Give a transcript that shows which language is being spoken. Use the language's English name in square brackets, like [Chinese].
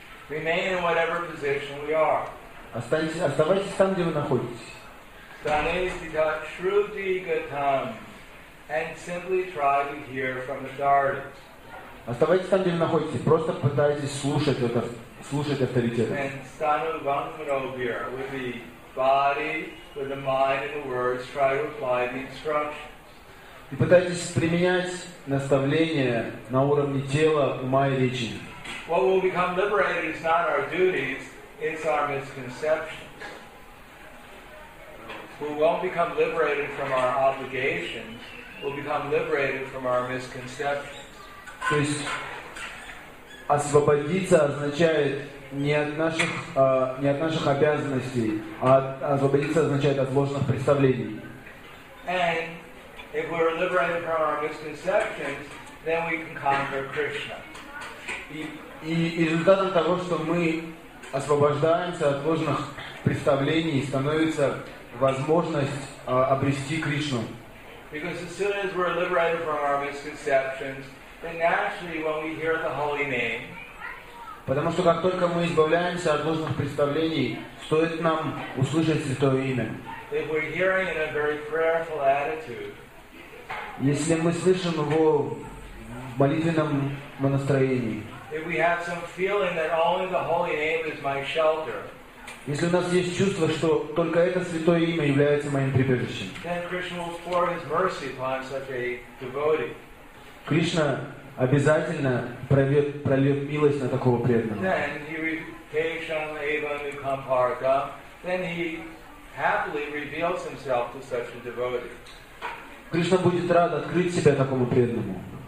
[English] Remain in whatever position we are. [Russian] Оставайтесь там, где вы находитесь. Оставайтесь там, где вы находитесь. Просто пытайтесь слушать это, слушать авторитеты. [English] And [Sanskrit] stanu vanmanobhir, [English] with the body, with the mind and the words, try to apply the instructions. [Russian] И пытайтесь применять наставления на уровне тела, ума и речи. [English] What will become liberated is not our duties, it's our misconceptions. We won't become liberated from our obligations, we'll become liberated from our misconceptions. [Russian] То есть освободиться означает не от наших обязанностей, а освободиться означает от ложных представлений. [English] And if we're liberated from our misconceptions, then we can conquer Krishna. [Russian] И результатом того, что мы освобождаемся от ложных представлений, становится возможность обрести Кришну. [English] Because as soon as we're liberated from our misconceptions, then naturally when we hear the holy name, [Russian] потому что как только мы избавляемся от ложных представлений, стоит нам услышать Святое Имя. [English] If we're hearing in a very prayerful attitude, [Russian] если мы слышим его в молитвенном настроении, [English] if we have some feeling that only the holy name is my shelter, [Russian] если у нас есть чувство, что только это святое имя является моим прибежищем, [English] then Krishna will pour his mercy upon such a devotee. [Russian] Кришна обязательно прольет милость на такого преданного. [English] Then he [Sanskrit] Keshan Evan Kamparka, [English] then he happily reveals himself to such a devotee. [Russian] Кришна будет рад открыть себя такому преданному.